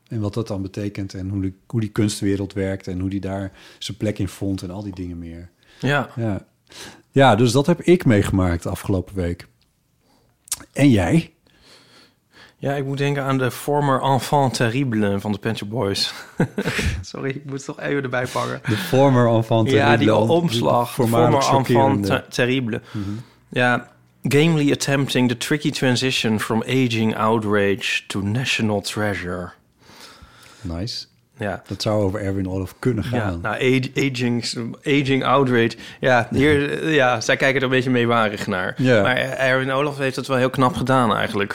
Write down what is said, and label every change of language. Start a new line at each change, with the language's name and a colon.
Dutch: En wat dat dan betekent en hoe die kunstwereld werkt en hoe die daar zijn plek in vond en al die dingen meer. Ja. Ja, ja, dus dat heb ik meegemaakt afgelopen week. En jij? Ja, ik moet denken aan de former enfant terrible van de Pet Shop Boys. Sorry, ik moet het toch even erbij pakken. De former enfant terrible. Ja, die omslag. Former enfant terrible. Mm-hmm.
English: Ja, gamely attempting the tricky transition from aging outrage to national treasure. Nice.
Dutch: Ja. Dat zou over Erwin Olof kunnen gaan. Ja, nou,
English: aging outrage.
Dutch: Ja, hier, ja. Ja, zij kijken er een beetje meewarig naar. Ja. Maar Erwin Olof heeft het wel heel knap gedaan eigenlijk.